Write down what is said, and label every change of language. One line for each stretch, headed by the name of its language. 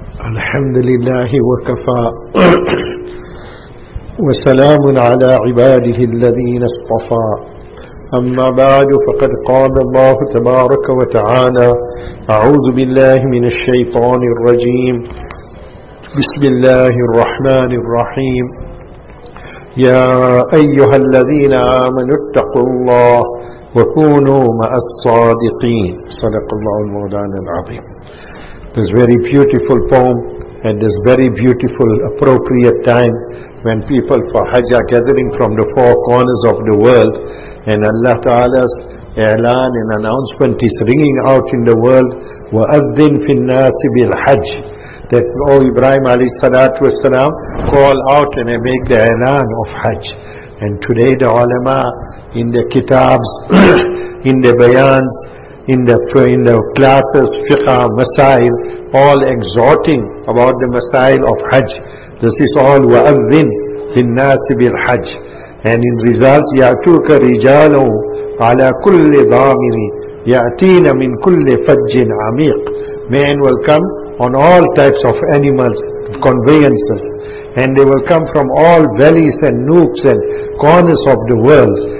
Arabic: الحمد للہ وکفا وسلام على عباده الذين اصطفى أما بعد فقد قال الله تبارك وتعالى أعوذ بالله من الشيطان الرجيم بسم الله الرحمن الرحيم يا أيها الذين آمنوا اتقوا الله وكونوا مع الصادقين صدق الله المولانا العظيم.
English: This very beautiful poem and this very beautiful appropriate time when people for Hajj are gathering from the four corners of the world, and Allah Ta'ala's e'lan and announcement is ringing out in the world,
Arabic: وَأَذِّنْ فِي النَّاسِ بِالْحَجِّ,
English: that O Ibrahim alayhi salatu wasalam, call out and make the e'lan of Hajj. And today the ulama in the kitabs, in the bayans, in the classes, fiqh, masail, all exhorting about the masail of Hajj. This is all
Arabic: وَأَذِّنْ فِي النَّاسِ بِالْحَجِّ.
English: And in result,
Arabic: يَأْتُوكَ رِجَالُوا عَلَى كُلِّ ضَامِرٍ يَأْتِينَ مِنْ كُلِّ فَجٍّ عَمِيقٍ.
English: Men will come on all types of animals, conveyances, and they will come from all valleys and nooks and corners of the world.